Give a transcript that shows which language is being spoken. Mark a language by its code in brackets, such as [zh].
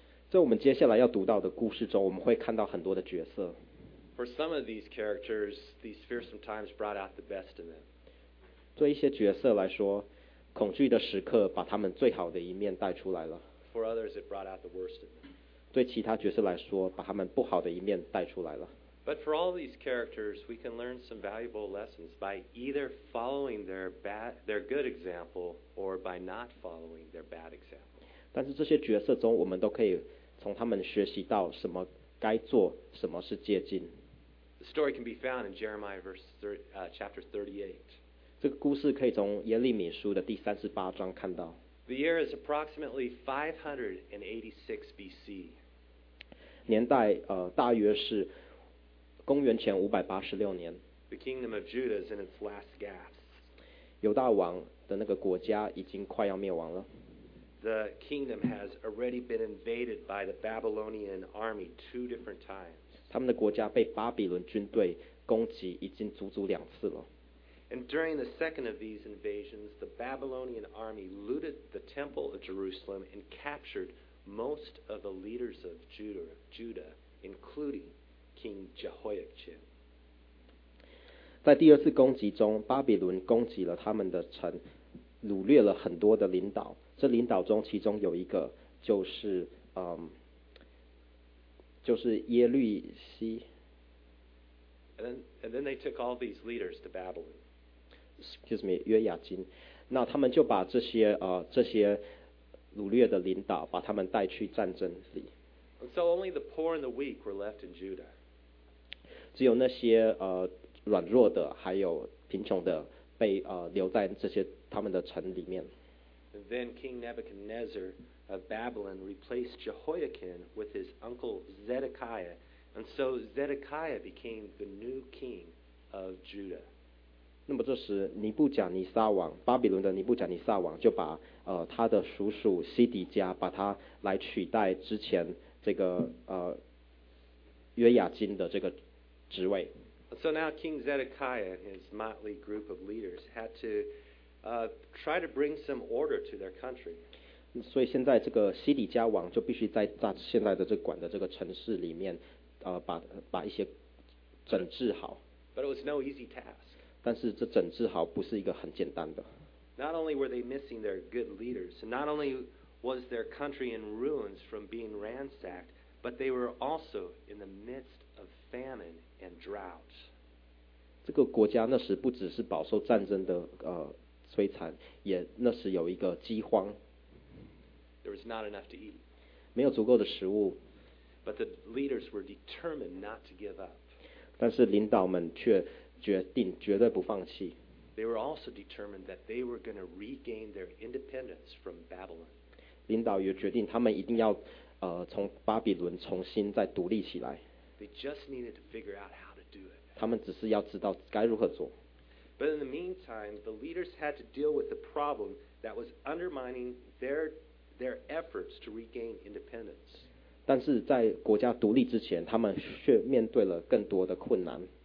[zh] 在我们接下来要读到的故事中，我们会看到很多的角色。 [en] For some of these characters, these fearsome times brought out the best in them. [zh] 对一些角色来说，恐惧的时刻把他们最好的一面带出来了。 [en] For others, it brought out the worst in them. [zh] 对其他角色来说，把他们不好的一面带出来了。 [en] But for all these characters, we can learn some valuable lessons by either following their good example or by not following their bad example. [zh] 但是这些角色中，我们都可以从他们学习到什么该做，什么是戒禁。 [en] The story can be found in Jeremiah chapter 38. [zh] 这个故事可以从耶利米书的第三十八章看到。 [en] The year is approximately 586 BC. [zh] 年代大约是公元前586年。 [en] The kingdom of Judah is in its last gasp. [zh] 犹大王的那个国家已经快要灭亡了。 [en] The kingdom has already been invaded by the Babylonian army two different times. [zh] 他们的国家被巴比伦军队攻击已经足足两次了。 [en] And during the second of these invasions, the Babylonian army looted the temple of Jerusalem and captured most of the leaders of Judah, including King Jehoiachin. [zh] 在第二次攻击中，巴比伦攻击了他们的城，掳掠了很多的领导。这领导中，其中有一个就是，就是耶律西。 [en] And then they took all these leaders to Babylon. Excuse me, [zh] 约雅金，那他们就把这些掳掠的领导把他们带去战争里。 [en] And so only the poor and the weak were left in Judah. [zh] 只有那些软弱的还有贫穷的被留在这些他们的城里面。 [en] And then King Nebuchadnezzar of Babylon replaced Jehoiakim with his uncle Zedekiah, and so Zedekiah became the new king of Judah. [zh] 那么这时，尼布甲尼撒王，巴比伦的尼布甲尼撒王，就把他的叔叔西底家把他来取代之前这个约雅金的这个职位。 [en] So now King Zedekiah and his motley group of leaders had to try to bring some order to their country. [zh] 所以现在这个西底家王就必须在他现在的这管的这个城市里面，把一些整治好。 [en] But it was no easy task. [zh] 但是这整治好不是一个很简单的。 [en] Not only were they missing their good leaders, not only was their country in ruins from being ransacked, but they were also in the midst of famine and drought. [zh] 这个国家那时不只是饱受战争的摧残，也那时有一个饥荒。 [en] There was not enough to eat. [zh] 没有足够的食物。 [en] But the leaders were determined not to give up. [zh] 但是领导们却决定绝对不放弃。 [en] They were also determined that they were going to regain their independence from Babylon. [zh] 领导也决定他们一定要从巴比伦重新再独立起来。 [en] They just needed to figure out how to do it. [zh] 他们只是要知道该如何做。 [en] But in the meantime, the leaders had to deal with the problem that was undermining their efforts to regain independence. [zh] 但是在国家独立之前，他们却面对了更多的困难。